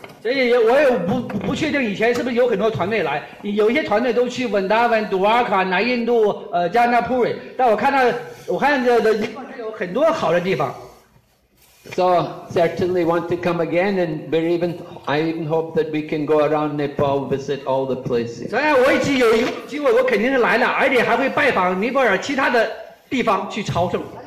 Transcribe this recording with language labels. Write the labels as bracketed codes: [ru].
[zh] 所以我也不确定以前是不是有很多团队来，有一些团队都去文达湾、杜瓦卡、南印度、加纳普瑞，但我看到有很多好的地方。 [en] So certainly want to come again, and I even hope that we can go around Nepal, visit all the places. [zh] 所以我已经有一个机会，我肯定是来了，而且还会拜访尼泊尔其他的地方去朝圣。